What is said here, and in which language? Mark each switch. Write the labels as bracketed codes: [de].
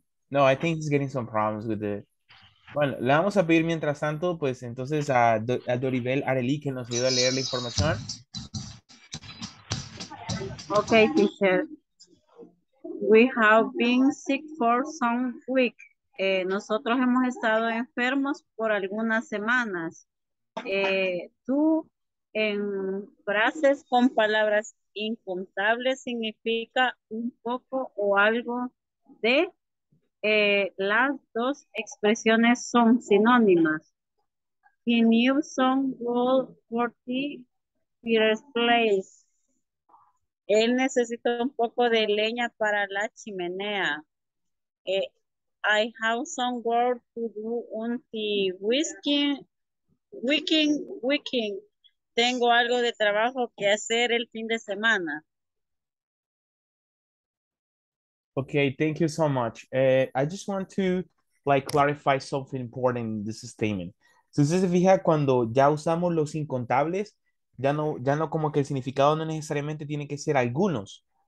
[en] No, I think he's getting some problems with it. [es] Bueno, le vamos a pedir mientras tanto, pues entonces a Doribel Arely que nos ayuda a leer la información. [en] Okay, teacher. We have been sick for some weeks. [es] Nosotros hemos estado enfermos por algunas semanas. Tú, en frases con palabras incontables, significa un poco o algo de. Las dos expresiones son sinónimas. [en] He knew some gold for the first place. [es] Él necesita un poco de leña para la chimenea. [en] I have some work to do on the weekend. [es] Tengo algo de trabajo que hacer el fin de semana. [en] Okay, thank you so much. I just want to like clarify something important in this statement. [es] Si usted se fija, cuando ya usamos los incontables, ya no como que el significado no necesariamente tiene que ser algunos.